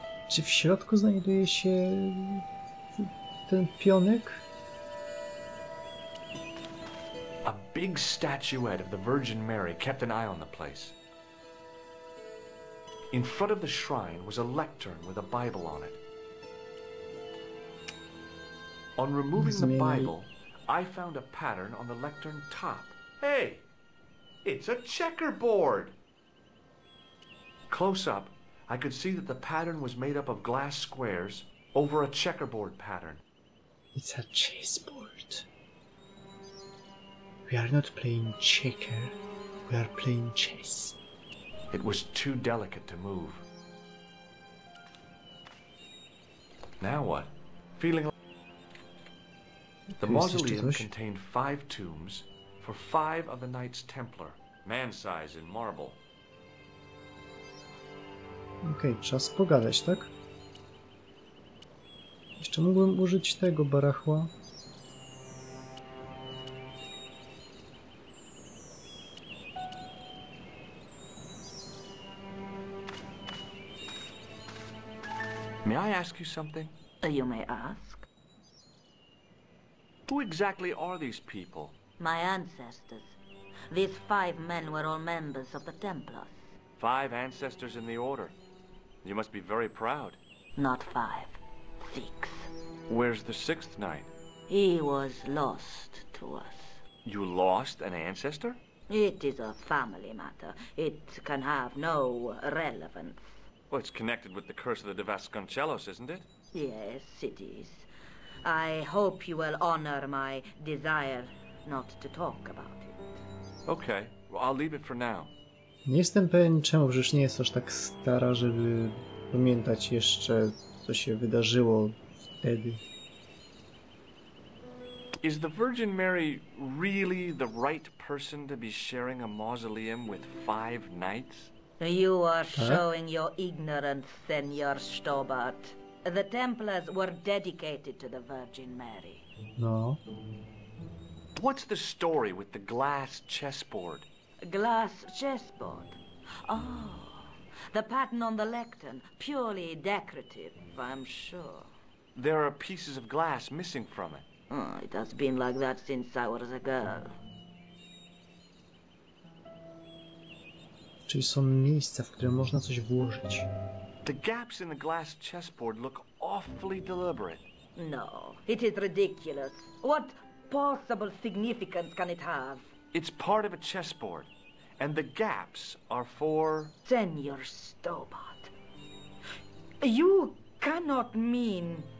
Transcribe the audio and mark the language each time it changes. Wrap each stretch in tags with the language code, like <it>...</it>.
<pl>Czy w środku znajduje się ten pionek?</pl> <en>A big statuette of the Virgin Mary kept an eye on the place. In front of the shrine was a lectern with a Bible on it. On removing the Bible, I found a pattern on the lectern top. Hey! It's a checkerboard! Close up, I could see that the pattern was made up of glass squares over a checkerboard pattern. It's a chessboard. We are not playing checker. We are playing chess. It was too delicate to move. Now what? Feeling like... The mausoleum contained 5 tombs for 5 of the Knights Templar, man-size in marble.</en> <pl>Okej, okay, czas pogadać, tak? Jeszcze mógłbym użyć tego barachła.</pl> <en>May I ask you something? You may ask. Who exactly are these people? My ancestors. These 5 men were all members of the Templars. 5 ancestors in the order. You must be very proud. Not 5. 6. Where's the 6th knight? He was lost to us. You lost an ancestor? It is a family matter. It can have no relevance. Well, it's connected with the curse of the Devasconcellos, isn't it? Yes, it is. I hope you will honor my desire not to talk about it. Okay, well, I'll leave it for now.</en> <pl>Nie jestem pewien, czemu już nie jest aż tak stara, żeby pamiętać jeszcze, co się wydarzyło wtedy.</pl> <en>Is the Virgin Mary really the right person to be sharing a mausoleum with 5 knights? You are showing your ignorance, Senor Stobart. The Templars were dedicated to the Virgin Mary. No. What's the story with the glass chessboard? Glass chessboard? Oh, the pattern on the lectern, purely decorative, I'm sure. There are pieces of glass missing from it. Oh, it has been like that since I was a girl.</en> <pl>Czyli są miejsca, w które można coś włożyć.</pl> <en>The gaps in the glass chessboard look awfully deliberate. No, it is ridiculous. What possible significance can it have? It's part of a chessboard. And the gaps are for... Senor Stobart. You cannot mean...</en>